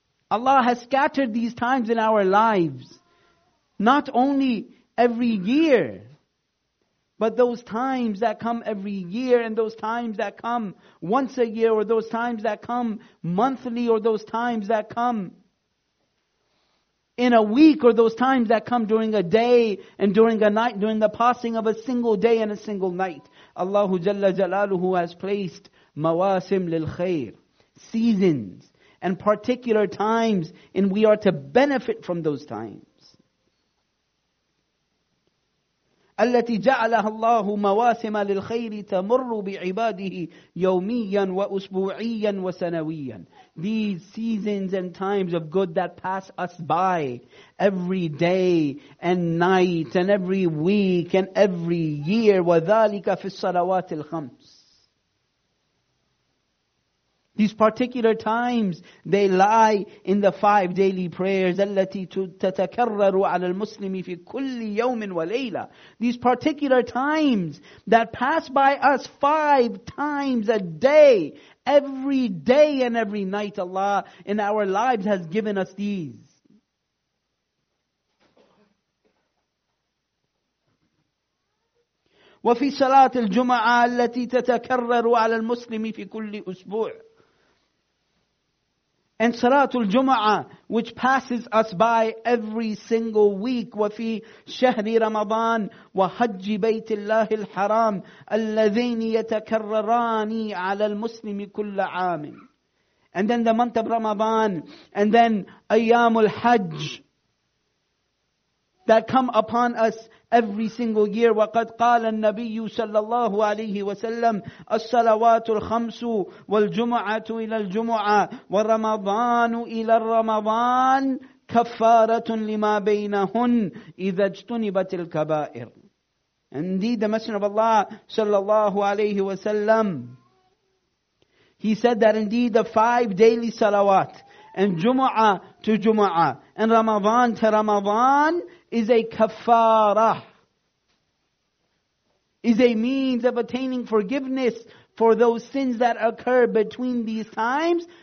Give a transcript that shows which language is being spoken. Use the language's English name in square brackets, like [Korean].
[English] Allah has scattered these times in our lives, not only every year, but those times that come every year, and those times that come once a year, or those times that come monthly, or those times that come in a week, or those times that come during a day and during a night, during the passing of a single day and a single night. Allahu Jalla Jalaluhu has placed [Arabic] mawasim lil khair, [English] seasons and particular times, and we are to benefit from those times. [Arabic] التي جعلها الله مواسم للخير تمر بعباده يوميا وأسبوعيا وسنويا. [English] These seasons and times of good that pass us by every day and night and every week and every year. [Arabic] وَذَلِكَ فِي الصَّلَوَاتِ الْخَمْسِ. [English] These particular times, they lie in the five daily prayers. [Arabic] التي تتكرر على المسلم في كل يوم وليلة. [English] These particular times that pass by us five times a day, every day and every night, Allah in our lives has given us these. [Arabic] وفي صلاة الجمعة التي تتكرر على المسلم في كل أسبوع. [English] And Salatul Jumu'ah, which passes us by every single week. [Arabic] وفي شهر رمضان وحج بيت الله الحرام الذين يتكرران على المسلم كل عام. [English] And then the month of Ramadan, and then [Arabic] أيام الحج, [English] that come upon us every single year. [Arabic] وقد قال النبي صلى الله عليه وسلم الصلوات الخمس والجمعة إلى الجمعة ورمضان إلى رمضان كفارة لما بينهن إذا اجتنبت الكبائر. [English] Indeed, the Messenger of Allah [Arabic] صلى الله عليه وسلم, [English] he said that indeed the five daily salawat, and Jumu'ah to Jumu'ah, and Ramadan to Ramadan, is a kafara, is a means of attaining forgiveness for those sins that occur between these times.